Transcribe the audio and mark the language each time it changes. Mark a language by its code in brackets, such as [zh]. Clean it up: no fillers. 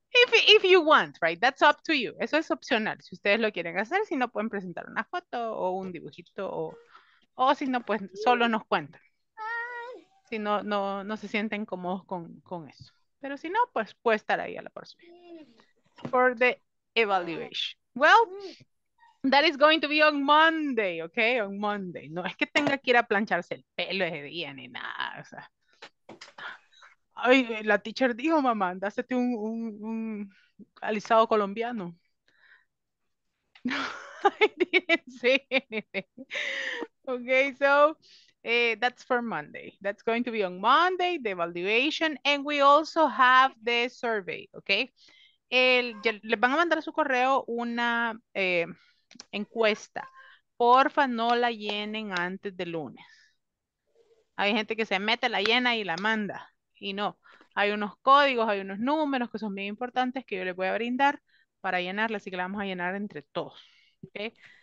[en] If you want, right? That's up to you. [es] Eso es opcional. Si ustedes lo quieren hacer, si no, pueden presentar una foto o un dibujito o si no, pues solo nos cuentan. Si no, no se sienten cómodos con eso. Pero si no, pues puede estar ahí a la próxima. [en] For the evaluation. Well, that is going to be on Monday, okay? On Monday. [es] No es que tenga que ir a plancharse el pelo ese día ni nada, o sea... Ay, la teacher dijo, mamá, dásete un alisado colombiano. [en] No, I didn't say anything. Okay, so that's for Monday. That's going to be on Monday, the evaluation. And we also have the survey, okay? [es] Les van a mandar a su correo una encuesta. Porfa, no la llenen antes de lunes. Hay gente que se mete, la llena y la manda. Y no, hay unos códigos, hay unos números que son bien importantes que yo les voy a brindar para llenarla, así que la vamos a llenar entre todos, ¿ok?